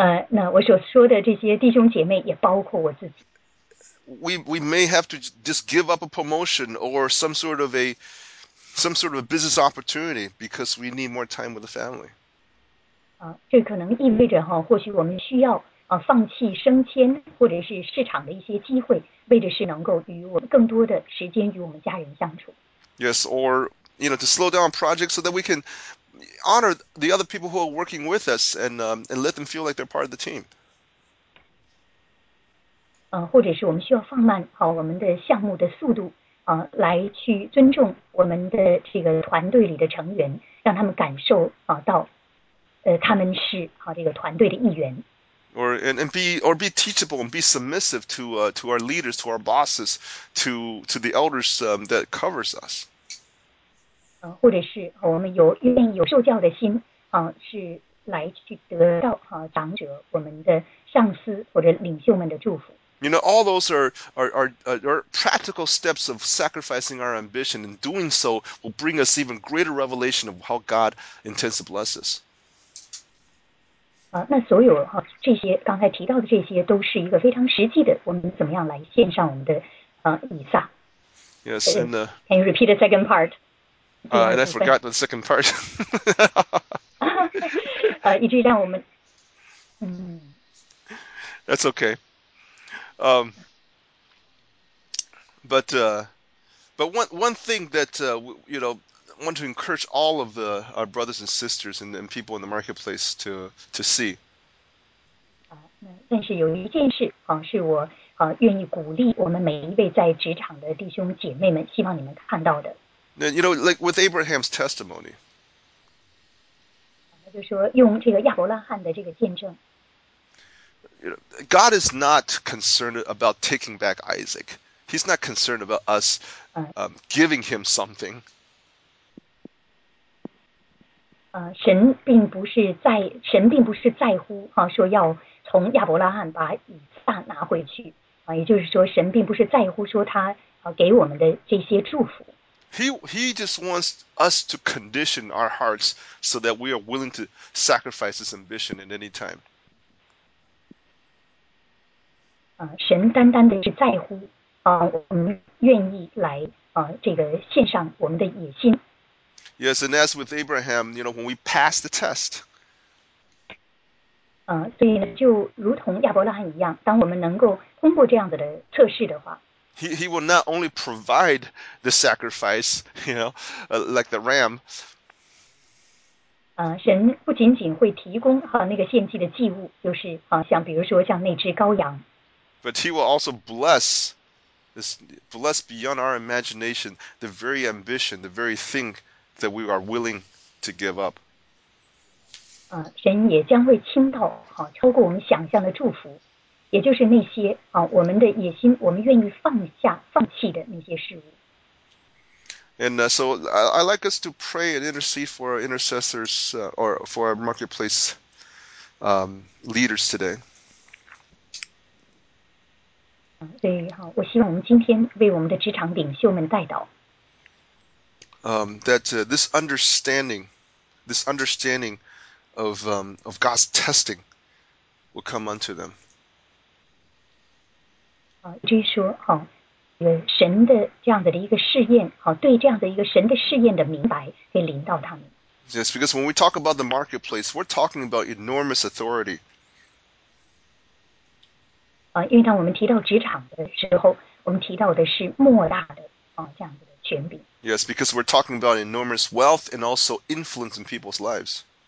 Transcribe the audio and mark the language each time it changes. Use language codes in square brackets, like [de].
[zh] 那我所说的这些弟兄姐妹也包括我自己。 [en] We may have to just give up a promotion or some sort of a business opportunity because we need more time with the family. [zh] 这可能意味着或许我们需要放弃升迁或者是市场的一些机会，为的是能够与我们更多的时间与我们家人相处。 [en] Yes, or you know, to slow down projects so that we can honor the other people who are working with us and let them feel like they're part of the team. [zh] 或者是我们需要放慢我们的项目的速度来去尊重我们的这个团队里的成员，让他们感受到他们是这个团队的一员。 [en] Or be teachable and be submissive to our leaders, to our bosses, to the elders that covers us. [zh] 或者是我们有愿意有受教的心是来去得到长者，我们的上司或者领袖们的祝福。 [en] You know, all those are practical steps of sacrificing our ambition, and doing so will bring us even greater revelation of how God intends to bless us. [zh] 那所有这些刚才提到的这些都是一个非常实际的，我们怎么样来献上我们的以撒 [en] Yes, and ？Can you repeat the second part？ [zh] 最后 [en] and I [zh] 部分。 [en] forgot the second part. [zh] 以至于让我们， [en] That's okay. But one thing that I want to encourage all of the our brothers and sisters and people in the marketplace to see. [zh] 但是有一件事是我愿意鼓励我们每一位在职场的弟兄姐妹们，希望你们看到的。 [en] Like with Abraham's testimony. [zh] 那就说用这个亚伯拉罕的这个见证。 [en] God is not concerned about taking back Isaac. He's not concerned about us giving him something. [zh] 神并不是在乎说要从亚伯拉罕把以撒拿回去也就是说神并不是在乎说他给我们的这些祝福。 [en] He just wants us to condition our hearts so that we are willing to sacrifice his ambition at any time. [zh] 神单单的是在乎我们愿意来这个献上我们的野心。 [en] Yes, and as with Abraham, when we pass the test. [zh] 所以呢，就如同亚伯拉罕一样，当我们能够通过这样子的测试的话， [en] He will not only provide the sacrifice, like the ram. [zh] 神不仅仅会提供那个献祭的祭物，就是像比如说像那只羔羊。 [en] But he will also bless beyond our imagination the very ambition, the very thing that we are willing to give up. [zh] 神也将会倾倒超过我们想象的祝福，也就是那些我们的野心，我们愿意放弃的那些事物。 [en] And so I like us to pray and intercede for our intercessors or for our marketplace leaders today. [zh] 对，我希望我们今天为我们的职场领袖们代祷。 [en] That this understanding of God's testing will come unto them. [zh] 至于说，神的这样子的一个试验，对这样的一个神的试验的明白，会临到他们。 [en] Yes, because when we talk about the marketplace, we're talking about enormous authority. [zh] 因为当我们提到职场的时候，我们提到的是莫大的这样子的权柄。 [en] Yes, because we're talking about enormous wealth and also influence in people's lives.